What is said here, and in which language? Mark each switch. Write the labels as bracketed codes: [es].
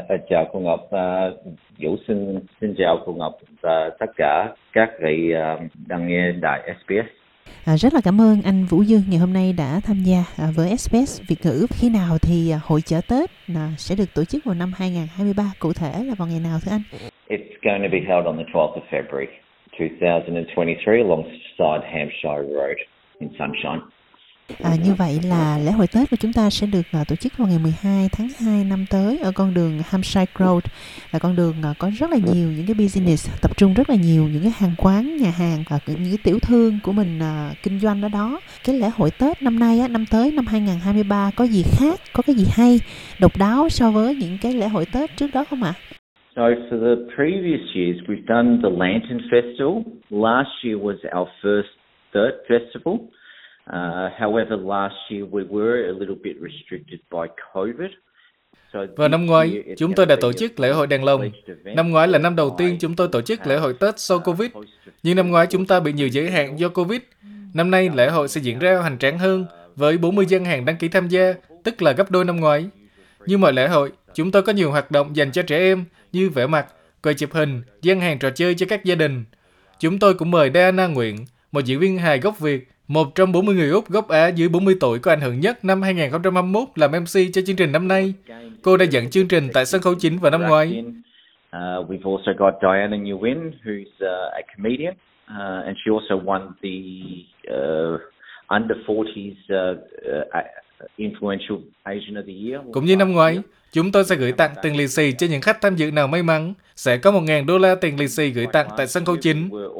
[vi] Chào cô Ngọc, Vũ xin chào cô Ngọc và tất cả các vị đang nghe đài SBS. Rất là cảm ơn anh Vũ Dư ngày hôm nay đã tham gia với SBS Việt ngữ. Khi nào thì hội chợ Tết sẽ được tổ chức vào năm 2023, cụ thể là vào ngày nào thưa anh? [en] It's going to be held on the 12th of February 2023 alongside Hampshire Road in Sunshine. [vi] Như vậy là lễ hội Tết của chúng ta sẽ được tổ chức vào ngày 12 tháng 2 năm tới ở con đường Hampshire Road, là con đường có rất là nhiều những cái business, tập trung rất là nhiều những cái hàng quán, nhà hàng và những cái tiểu thương của mình kinh doanh ở đó. Cái lễ hội Tết năm nay, năm tới, năm 2023 có gì khác, có cái gì hay, độc đáo so với những cái lễ hội Tết trước đó không ạ? [en] So for the previous years, we've done the Lantern Festival. Last year was our first Tết Festival. However, last year we were a little bit restricted by COVID. [vi] Và năm ngoái, chúng tôi đã tổ chức lễ hội Đèn Lồng. Năm ngoái là năm đầu tiên chúng tôi tổ chức lễ hội Tết sau COVID. Nhưng năm ngoái chúng ta bị nhiều giới hạn do COVID. Năm nay, lễ hội sẽ diễn ra hoành tráng hơn, với 40 gian hàng đăng ký tham gia, tức là gấp đôi năm ngoái. Như mọi lễ hội, chúng tôi có nhiều hoạt động dành cho trẻ em, như vẽ mặt, quay chụp hình, gian hàng trò chơi cho các gia đình. Chúng tôi cũng mời Diana Nguyễn, một diễn viên hài gốc Việt, một trong 40 người Úc gốc Á dưới 40 tuổi có ảnh hưởng nhất năm 2021 làm MC cho chương trình năm nay. Cô đã dẫn chương trình tại sân khấu chính vào năm ngoái. [en] We've also got Diana Nguyen, who's a comedian, and she also won the under 40s influential Asian of the year. [vi] Cũng như năm ngoái, chúng tôi sẽ gửi tặng tiền lì xì cho những khách tham dự nào may mắn. Sẽ có $1,000 tiền lì xì gửi tặng tại sân khấu chính.